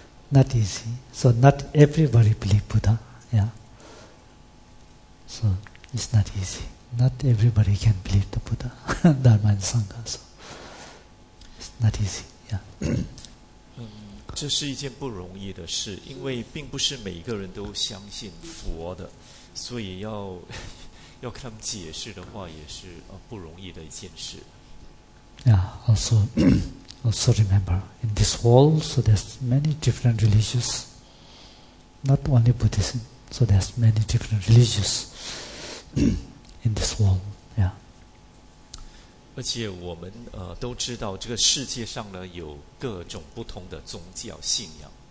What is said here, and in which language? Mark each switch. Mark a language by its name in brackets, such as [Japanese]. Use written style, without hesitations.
[English] Not easy. So not everybody believe Buddha. Yeah. So it's not easy. Not everybody can believe the Buddha, Dharma and Sangha. So it's not easy. Yeah. [Chinese] 这是一件不容易的事，因为并不是每一个人都相信佛的，所以要跟他们解释的话，也是不容易的一件事。 [English] Yeah, also remember, in this world, so there's many different religions, not only Buddhism, so there's many different religions in this world, yeah. [Chinese] 而且我们都知道这个世界上呢有各种不同的宗教信仰。